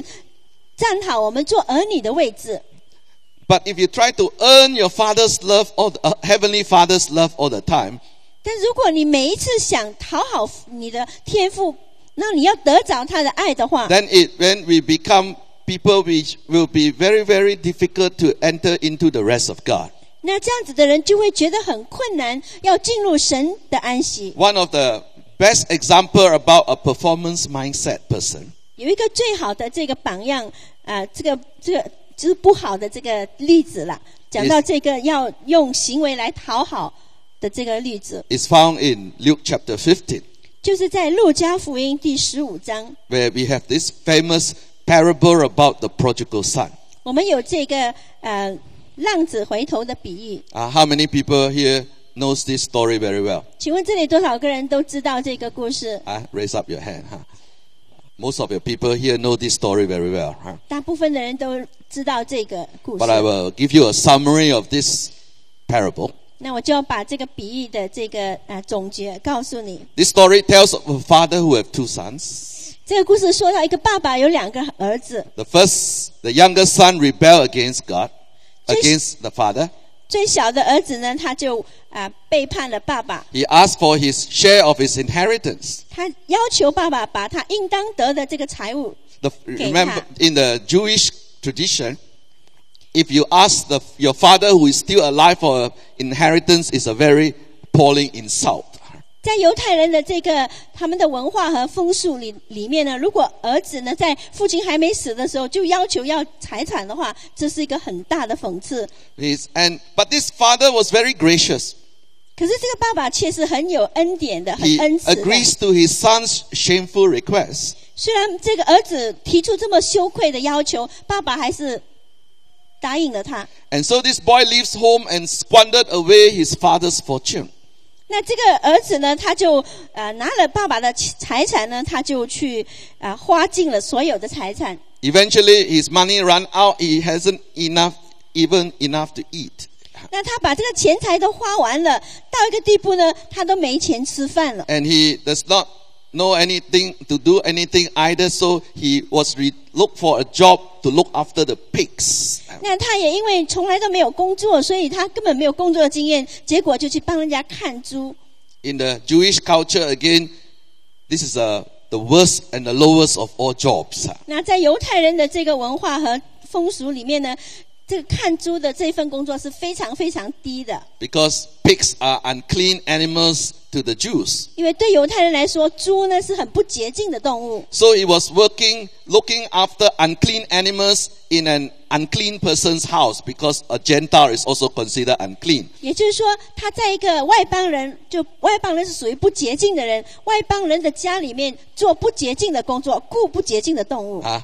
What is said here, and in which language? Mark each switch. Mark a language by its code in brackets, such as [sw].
[zh] 就说到说，进入神的安息呢，就是我们能够在神的面前站好我们做儿女的位置。 [en] But if you try to earn your father's love or heavenly father's love all the time, [zh] 但如果你每一次想讨好你的天父， 那你要得着他的爱的话, [en] then when we become people which will be very, very difficult to enter into the rest of God. [zh] 那这样子的人就会觉得很困难，要进入神的安息。 [en] One of the best example about a performance mindset person. [zh] 有一个最好的这个榜样，就是不好的这个例子了。讲到这个要用行为来讨好的这个例子 [en] ，is found in Luke chapter 15. [zh] 就是在路加福音第十五章 [en] ，where we have this famous parable about the prodigal son. [zh] 我们有这个浪子回头的比喻。 [en] How many people here knows this story very well? [zh] 请问这里多少个人都知道这个故事？ [en] Raise up your hand, huh? Most of your people here know this story very well.、Huh? [zh] 大部分的人都知道这个故事。 [en] But I will give you a summary of this parable. [zh] 那我就要把这个比喻的这个总结告诉你。 [en] This story tells of a father who have two sons. [zh] 这个故事说到一个爸爸有两个儿子。 [en] The younger son rebelled against God, against the father. [zh] 最小的儿子呢，他就背叛了爸爸。 [en] He asked for his share of his inheritance. [zh] 他要求爸爸把他应当得的这个财物给他。 [en] Remember, in the Jewish tradition, if you ask your father who is still alive for inheritance, it's a very appalling insult. [zh] 在犹太人的这个他们的文化和风俗里面呢，如果儿子呢在父亲还没死的时候就要求要财产的话，这是一个很大的讽刺。 [en] But this father was very gracious. [zh] 可是这个爸爸却是很有恩典的，很恩慈的。 [en] He agrees to his son's shameful request. [zh] 虽然这个儿子提出这么羞愧的要求，爸爸还是答应了他。 [en] And so this boy leaves home and squandered away his father's fortune. [zh] 那这个儿子呢，他就拿了爸爸的财产呢，他就去花尽了所有的财产。 [en] Eventually, his money ran out. He hasn't even enough to eat. [zh] 那他把这个钱财都花完了，到一个地步呢，他都没钱吃饭了。 [en] And he does not know anything to do anything either. So he was look for a job to look after the pigs. [zh] 那他也因为从来都没有工作，所以他根本没有工作的经验，结果就去帮人家看猪。 [en] In the Jewish culture, again, this is the worst and the lowest of all jobs. [zh] 那在犹太人的这个文化和风俗里面呢，这个看猪的这份工作是非常非常低的。 [en] Because pigs are unclean animals to the Jews. [zh] 因为对犹太人来说，猪呢是很不洁净的动物。 [en] So he was looking after unclean animals in an unclean person's house because a Gentile is also considered unclean. [zh] 也就是说，他在一个外邦人，就外邦人是属于不洁净的人，外邦人的家里面做不洁净的工作，雇不洁净的动物。